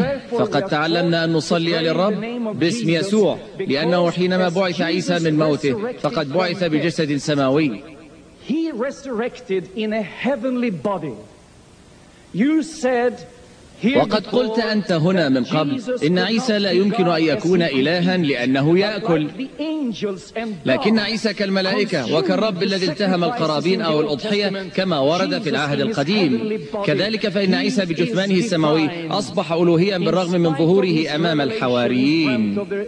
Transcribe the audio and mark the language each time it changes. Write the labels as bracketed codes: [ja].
[ar] فقد تعلمنا أن نصلي للرب باسم يسوع، لأنه حينما بعث عيسى من موته فقد بعث بجسد سماوي. [en] He resurrected in a heavenly body. You said, [ar] وقد قلت أنت هنا من قبل إن عيسى لا يمكن أن يكون إلها لأنه يأكل، لكن عيسى كالملائكة وكالرب الذي التهم القرابين أو الأضحية كما ورد في العهد القديم. كذلك فإن عيسى بجثمانه السماوي أصبح ألوهيا بالرغم من ظهوره أمام الحواريين.